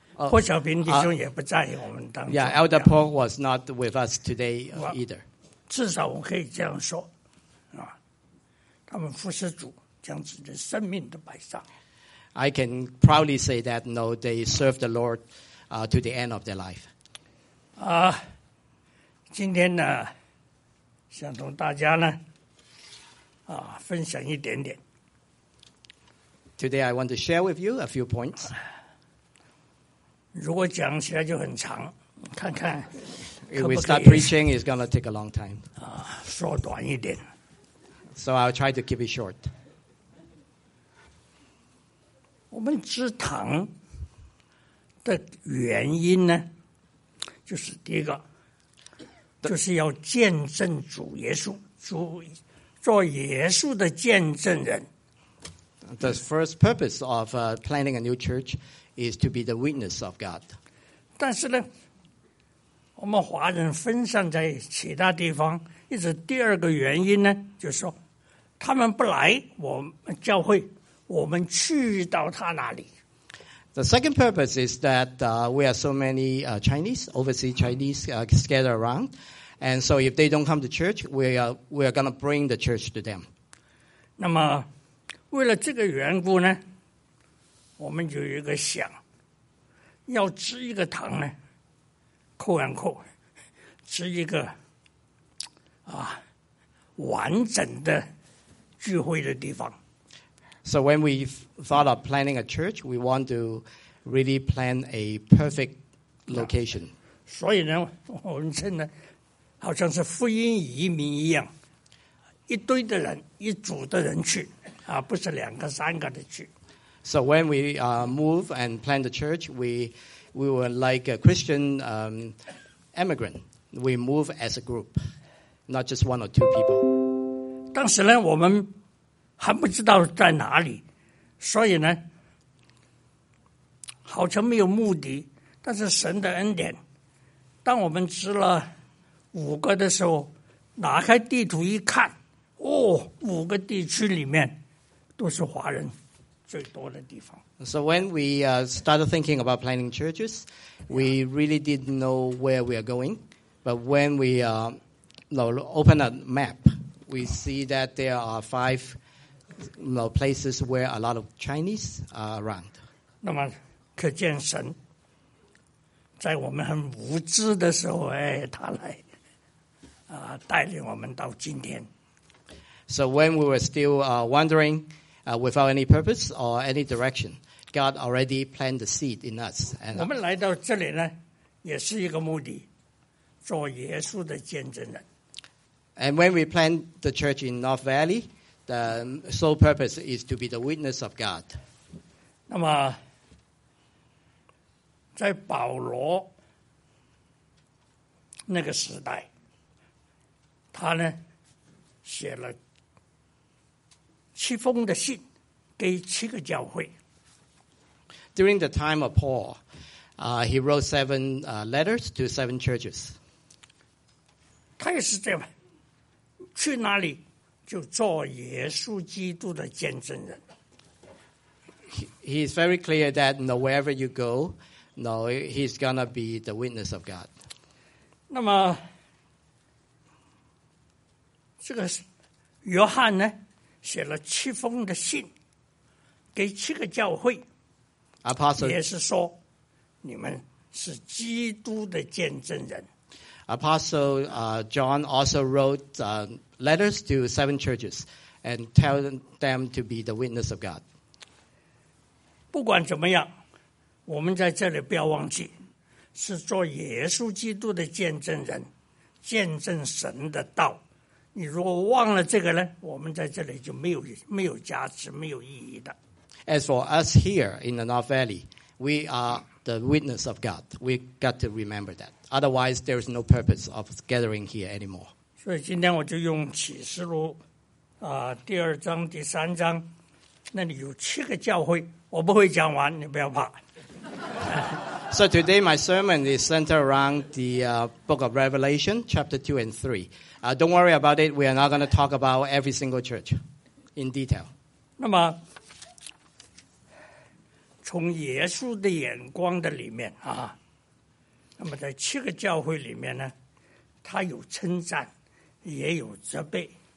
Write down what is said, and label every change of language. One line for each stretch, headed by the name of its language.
Chinese: 柏小兵弟兄也不在我们当中。
English: Yeah, Elder Paul was not with us today either.
Chinese: 至少我可以这样说。他们服侍主，将自己的生命都摆上。
English: I can proudly say that they serve the Lord to the end of their life.
Chinese: 今天呢，想同大家呢，分享一点点。
English: Today I want to share with you a few points.
Chinese: 如果讲起来就很长，看看。
English: If we start preaching, it's going to take a long time.
Chinese: 缩短一点。
English: So I'll try to keep it short.
Chinese: 我们吃糖的原因呢，就是第一个，就是要见证主耶稣，主做耶稣的见证人。
English: The first purpose of planting a new church is to be the witness of God.
Chinese: 但是呢，我们华人分散在其他地方，一直第二个原因呢，就是说。他们不来我们教会，我们去到他那里。
English: The second purpose is that we are so many Chinese, overseas Chinese, scattered around, and so if they don't come to church, we are going to bring the church to them.
Chinese: 那么，为了这个缘故呢，我们就有一个想，要支一个堂呢，扣完扣，支一个完整的。聚会的地方。
English: So when we thought of planning a church, we want to really plan a perfect location.
Chinese: 所以呢，我们现在好像是福音移民一样，一堆的人，一组的人去，不是两个三个的去。
English: So when we move and plan the church, we were like a Christian immigrant. We move as a group, not just one or two people.
Chinese: 当时呢，我们还不知道在哪里，所以呢，好像没有目的。但是神的恩典，当我们支了五个的时候，拿开地图一看，哦，五个地区里面都是华人最多的地方。
English: So when we started thinking about planning churches, we really didn't know where we are going. But when we opened a map, we see that there are five places where a lot of Chinese are around.
Chinese: 那么可见神在我们很无知的时候，他来带领我们到今天。
English: So when we were still wandering without any purpose or any direction, God already planted the seed in us. And
Chinese: 我们来到这里呢，也是一个目的，做耶稣的见证人。
English: And when we plant the church in North Valley, the sole purpose is to be the witness of God.
Chinese: 那么，在保罗那个时代，他呢写了七封的信给七个教会。
English: During the time of Paul, he wrote seven letters to seven churches.
Chinese: 他也是这样，去哪里就做耶稣基督的见证人。
English: He is very clear that wherever you go, he's gonna be the witness of God.
Chinese: 那么这个约翰呢？写了七封的信给七个教会，
English: Apostle,
Chinese: 也是说你们是基督的见证人。
English: Apostle John also wrote letters to seven churches and tell them to be the witness of God.
Chinese: 不管怎么样，我们在这里不要忘记，是做耶稣基督的见证人，见证神的道。你如果忘了这个呢，我们在这里就没有价值，没有意义的。
English: As for us here in the North Valley, we are the witness of God. We got to remember that. Otherwise, there is no purpose of gathering here anymore.
Chinese: 所以今天我就用启示录第二章、第三章，那里有七个教会，我不会讲完，你不要怕。
English: So today my sermon is centered around the book of Revelation, chapter 2 and 3. Don't worry about it, we are not going to talk about every single church in detail.
Chinese: 那么从耶稣的眼光的里面啊，那么在七个教会里面呢，他有称赞，也有责备。